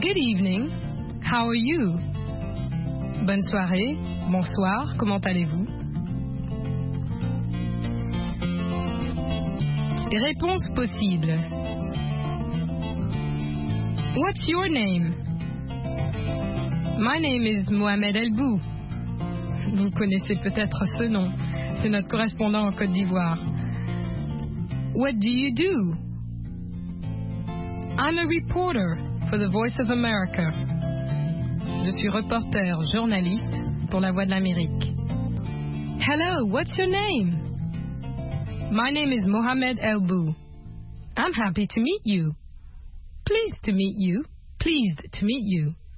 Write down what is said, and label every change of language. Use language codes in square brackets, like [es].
[en] good evening, how are you? [fr] Bonne soirée, bonsoir, comment allez-vous? Réponse possible. [en] What's your name? My name is Mohamed Elbou. [fr] Vous connaissez peut-être ce nom. C'est notre correspondant en Côte d'Ivoire. [en] What do you do? I'm a reporter for the Voice of America. [fr] Je suis reporter, journaliste pour la Voix de l'Amérique. [en] Hello, what's your name? My name is Mohamed Elbou. I'm happy to meet you. Pleased to meet you. Pleased to meet you.